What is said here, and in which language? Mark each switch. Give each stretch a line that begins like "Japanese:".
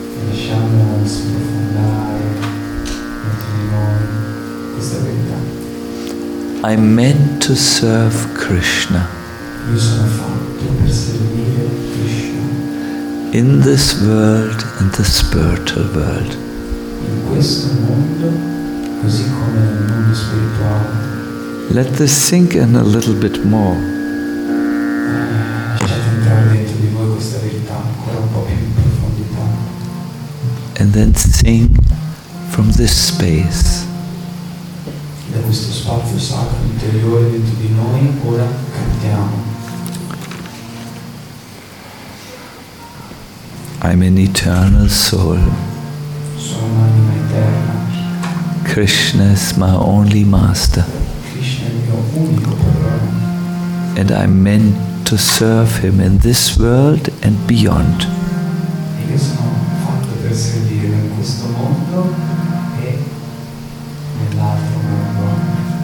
Italian: Lasciamo sprofondare dentro di noi questa verità.
English: I'm meant to serve Krishna.
Italian: Io sono fatto per servire Krishna.
English: In this world and the spiritual world.
Italian: In questo mondo, così come nel mondo spirituale.
English: Let this sink in a little bit more.
Italian: Lasciate entrare dentro di voi questa verità ancora un po' più in profondità.
English: And then sing from this space.
Italian: Da questo spazio sacro interiore dentro di noi ora cantiamo.
English: I'm an eternal soul.
Italian: Sono un'anima eterna.
English: Krishna is my only master.
Italian: Krishna è il mio unico padrone.
English: And I'm meant to serve him in this world and beyond.
Italian: E io sono fatto per servire in questo mondo e nell'altro mondo.